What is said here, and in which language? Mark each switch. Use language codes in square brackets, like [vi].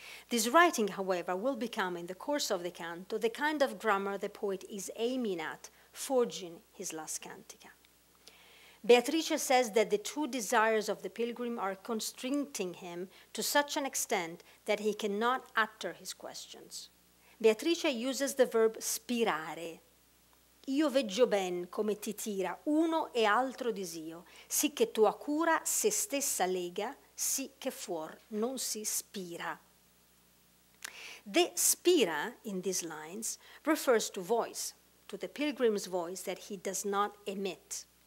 [en] This writing, however, will become, in the course of the canto, the kind of grammar the poet is aiming at, forging his last cantica. Beatrice says that the two desires of the pilgrim are constricting him to such an extent that he cannot utter his questions. Beatrice uses the verb spirare. [it] Io veggio ben come ti tira uno e altro disio, sì che tua cura se stessa lega, sì che fuor non si spira. [en] The spira, in these lines, refers to voice, to the pilgrim's voice that he does not emit.